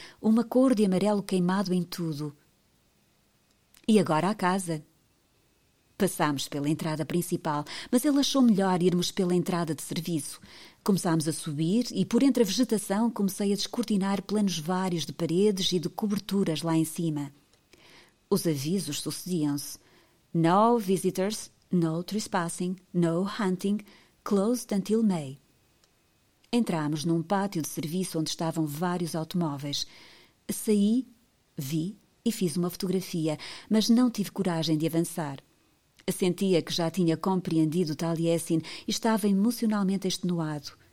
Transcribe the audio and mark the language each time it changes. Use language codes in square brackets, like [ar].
[pt] Uma cor de amarelo queimado em tudo. E agora a casa. Passámos pela entrada principal, mas ele achou melhor irmos pela entrada de serviço. Começámos a subir e, por entre a vegetação, comecei a descortinar planos vários de paredes e de coberturas lá em cima. Os avisos sucediam-se. [en] No visitors, no trespassing, no hunting, closed until May. [pt] Entrámos num pátio de serviço onde estavam vários automóveis. Saí, vi e fiz uma fotografia, mas não tive coragem de avançar. Sentia que já tinha compreendido Taliesin e estava emocionalmente extenuado.